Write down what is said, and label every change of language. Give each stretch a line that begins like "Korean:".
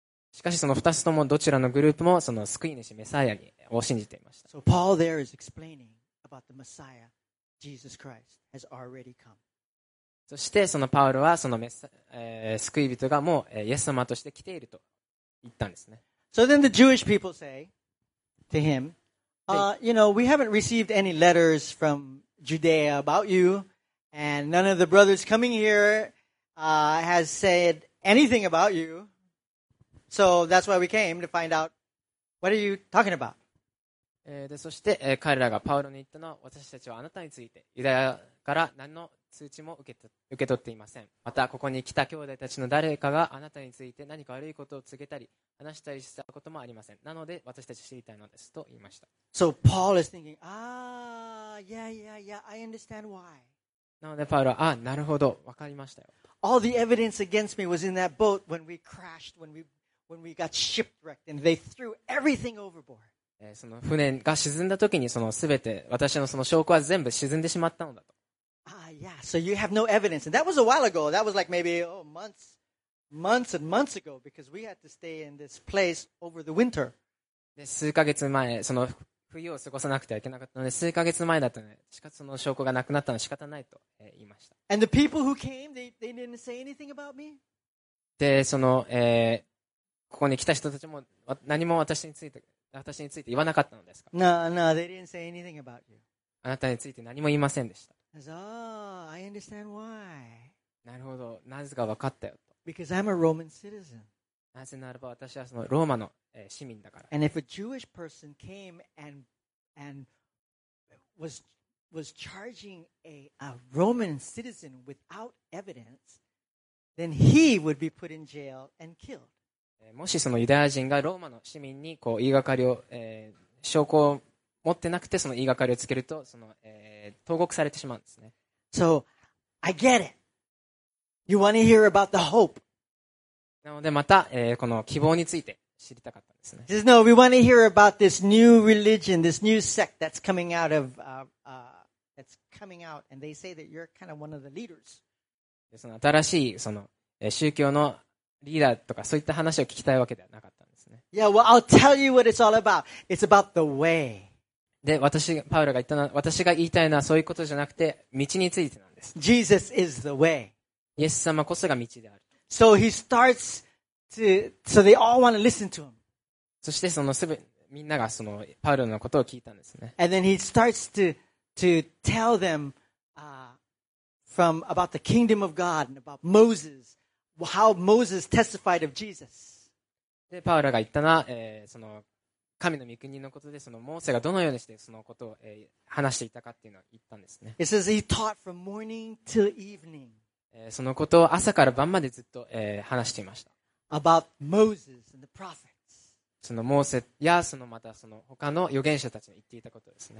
Japanese: しかしその二つともどちらのグループもその救い主メサイアを信じていました。
English: So Paul there is explaining about the Messiah, Jesus Christ, has already come.
Japanese: そしてそのパウロはその、救い人がもう、イエス様として来ていると言ったんですね。
English: So then the Jewish people say to him, you know, we haven't received any letters from Judea about you, and none of the brothers coming here, has said anything about you. So that's why we came to find out what are you talking about.
Japanese: でそして、彼らがパウロに言ったのは私たちはあなたについてユダヤから何の通知も受け取っていません。またここに来た兄弟たちの誰かがあなたについて何か悪いことを告げたり話したりしたこともありません。なので私たち知りたいのですと言いました。
English: So Paul is thinking, ah, yeah, yeah, yeah, I understand why.
Japanese: なのでパウロは、ああ、なるほど、わかりましたよ。
English: All the evidence against me was in that boat when we crashed, when we got shipwrecked and they threw everything overboard.
Japanese: その船が沈んだ時にその全て私のその証拠は全部沈んでしまったのだと。
English: Yeah, so you have no evidence. And that was a while ago. That was like maybe, months and months ago because we had to stay in this place over the winter.
Japanese: で、数ヶ月前、その冬を過ごさなくてはいけなかったので、数ヶ月前だったので、しかその証拠がなくなったのは仕方ないと、言いました。
English: And the people who came, they didn't say anything about me?
Japanese: で、その、ここに来た人たちも何も私について言わなかったのですか?
English: No, they didn't say anything about you.
Japanese: あなたについて何も言いませんでした。
English: I understand why.
Japanese: なるほど、なぜか分かったよと。
English: Because I'm a Roman citizen.
Japanese: なぜならば私はそのローマの、市民だから。
English: And if a Jewish person came and was charging a Roman citizen without evidence, then he would be put in jail and killed.
Japanese: もしそのユダヤ人がローマの市民にこう言いがかりを、証拠を持ってなくてその言いがかりをつけるとその、投獄されてしまうんですね。
English: So, I get it. You want to hear about the hope.
Japanese: なのでまた、この希望について知りたかったんですね。
English: He says, no, we want to hear about this new religion, this new sect that's coming out of, uh, that's coming out, and they say that you're kind of one of the leaders.
Japanese: その新しいその宗教のリーダーとかそういった話を聞きたいわけではなかったんですね。
English: Yeah, well, I'll tell you what it's all about. It's about the way.
Japanese: で、私パウロが言ったのは、私が言いたいのはそういうことじゃなくて道についてなんです。
English: Jesus is the way.
Japanese: イエス様こそが道である。
English: So he starts to, so they all want to listen to him.
Japanese: そしてそのすぐみんながそのパウロのことを聞いたんですね。
English: And then he starts to tell them, from about the kingdom of God and about Moses, how Moses testified of Jesus.
Japanese: で、パウロが言ったな、その神の御国のことで、そのモーセがどのようにしてそのことを、話していたかっていうのを言ったんですね。
English: It says he taught from morning till evening.
Japanese: そのことを朝から晩までずっと、話していました。
English: About Moses and the prophets.
Japanese: そのモーセやそのまたその他の預言者たちの言っていたことですね。